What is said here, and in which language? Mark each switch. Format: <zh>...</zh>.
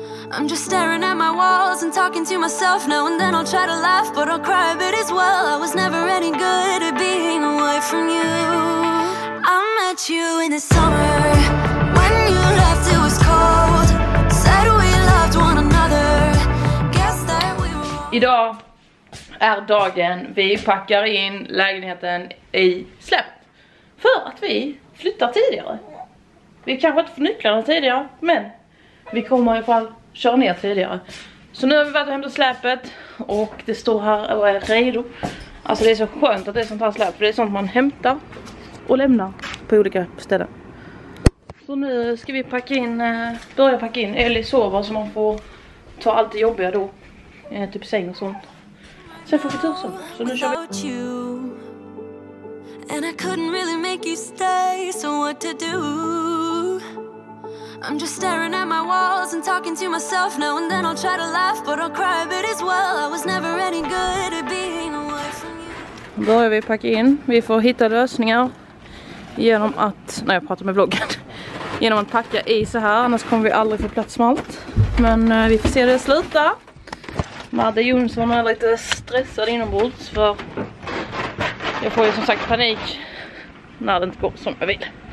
<en>I'm just staring at my walls and talking to myself. Now and then I'll try to laugh, but I'll cry a bit as well. I was never any good at being away from you. I met you in the summer, when you left it was cold. Said we loved one another, guess that we were.</en> <sv>Idag är dagen vi packar in lägenheten i släpp för att vi flyttar tidigare. Vi kanske inte får nycklarna tidigare, men vi kommer i alla fall köra ner tidigare. Så nu har vi varit och hämtat släpet och det står här och är redo. Alltså det är så skönt att det är sånt här släp, för det är sånt man hämtar och lämnar på olika ställen. Så nu ska vi packa in, börja packa in. Eller sova så man får ta allt det jobbiga då. Typ säng och sånt. Sen får vi tur sen. Så nu kör vi.</sv> <en>And I couldn't really make you stay, so what to do? I'm just staring at my walls and talking to myself. Now and then I'll try to laugh, but I'll cry a bit as well. I was never any good at being away from you.</en> <sv>Börjar vi packa in. Vi får hitta lösningar genom att, när jag pratar med vloggen, genom att packa i så här, annars kommer vi aldrig få plats med allt. Men vi får se hur det slutar. Madde Jonsson är lite stressad inombords, för jag får ju som sagt panik när det inte går som jag vill.</sv>